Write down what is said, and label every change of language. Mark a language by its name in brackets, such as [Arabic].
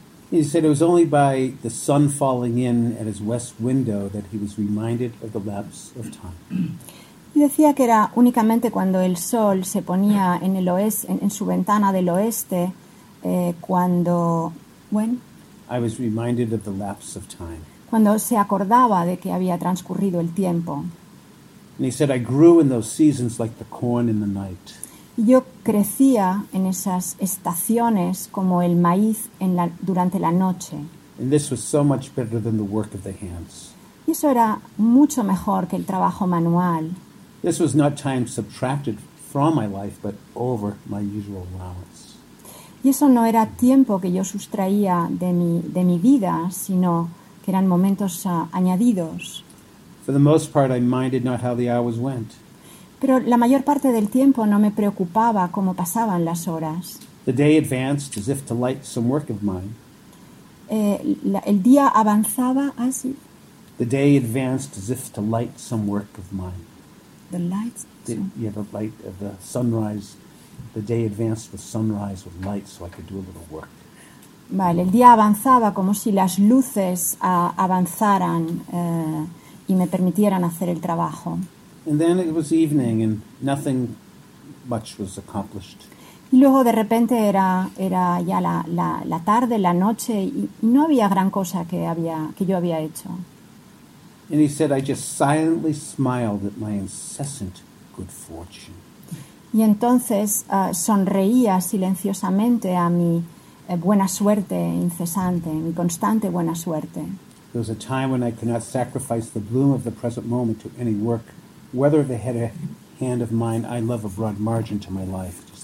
[English] He said it was only by the sun falling in at his west window that he was reminded of the lapse of time. [Spanish] Y decía que era únicamente cuando el sol se ponía en el oeste, en su ventana del oeste, cuando, [English] when? I was reminded of the lapse of time. [Spanish] Cuando se acordaba de que había transcurrido el tiempo. [English] And he said, I grew in those seasons like the corn in the night. [Spanish] Yo crecía en esas estaciones como el maíz durante la noche. [English] And this was so much better than the work of the hands. [Spanish] Y eso era mucho mejor que el trabajo manual. [English] This was not time subtracted from my life, but over my usual allowance. [Spanish] Y eso no era tiempo que yo sustraía de mi vida, sino que eran momentos añadidos. [English] For the most part, I minded not how the hours went. [Spanish] Pero la mayor parte del tiempo no me preocupaba cómo pasaban las horas. [English] The day advanced as if to light some work of mine. [Spanish] El día avanzaba así. [English] The day advanced as if to light some work of mine. The light. The light of the sunrise. The day advanced with sunrise with light, so I could do a little work. [Spanish] Vale, el día avanzaba como si las luces avanzaran y me permitieran hacer el trabajo. [English] And then it was evening and nothing much was accomplished. [Spanish] Y luego de repente era ya la tarde, la noche, y no había gran cosa que yo había hecho. [English] And he said, I just silently smiled at my incessant good fortune. [Spanish] Y entonces sonreía silenciosamente a mi buena suerte incesante, mi constante buena suerte. [English] There was a time when I could not sacrifice the bloom of the present moment to any work, whether they had a hand of mine, I love a broad margin to my life.